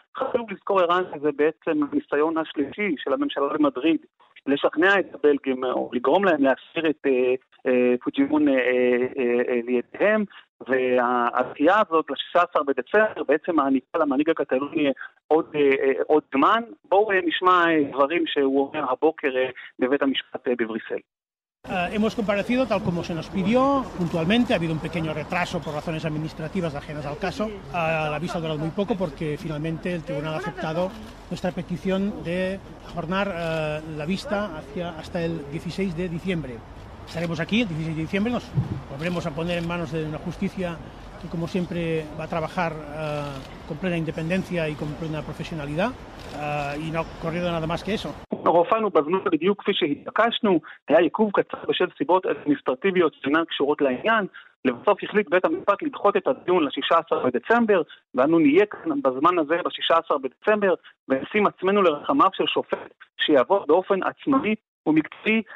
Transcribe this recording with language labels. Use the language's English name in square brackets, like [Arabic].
[Hebrew] חשוב לזכור, אירן, שזה בעצם הניסיון השלישי של הממשלה במדריד לשכנע את הבלגים או לגרום להם להסיר את פוצ'דמון לידיהם, והעשייה הזאת ל-16 בדצמבר בעצם מעניקה למנהיג הקטלוני עוד זמן. בואו נשמע דברים שהוא אומר הבוקר בבית המשפט בבריסל. [Spanish] Hemos comparecido tal como se nos pidió puntualmente, ha habido un pequeño retraso por razones administrativas ajenas al caso, la vista ha durado muy poco porque finalmente el tribunal ha aceptado nuestra petición de ajornar la vista hasta el 16 de diciembre. Estaremos aquí el 16 de diciembre, nos volveremos a poner en manos de una justicia que como siempre va a trabajar con plena independencia y con plena profesionalidad, y no ha ocurrido nada más que eso. [Hebrew] הופענו בזמן בדיוק כפי שהתעקשנו, היה עיכוב קצר בשל סיבות אדמיניסטרטיביות שאינן קשורות לעניין. לבסוף החליט בית המשפט לדחות את הדיון ל-16 בדצמבר, ואנו נהיה כאן בזמן הזה ב-16 בדצמבר, ונשים עצמנו לרחמיו של שופט שיעבור באופן עצמאי ומקצועי.